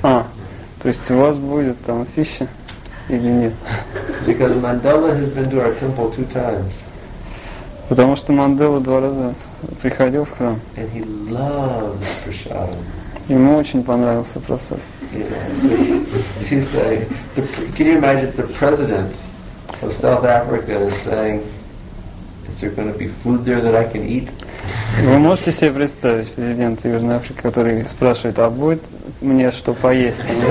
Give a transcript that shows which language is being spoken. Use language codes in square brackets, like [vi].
[ru] То есть у вас будет там фиши или нет? [en] Because Mandela has been to our temple two times. [ru] Потому что Мандела два раза приходил в храм. [en] And he loves prashad. [ru] Ему очень понравился просад. [en] Yeah, so he's like, can you imagine the president of South Africa is saying, is there going to be food there that I can eat? [ru] Вы можете себе представить президента Южной Африки, который спрашивает, а будет мне что поесть?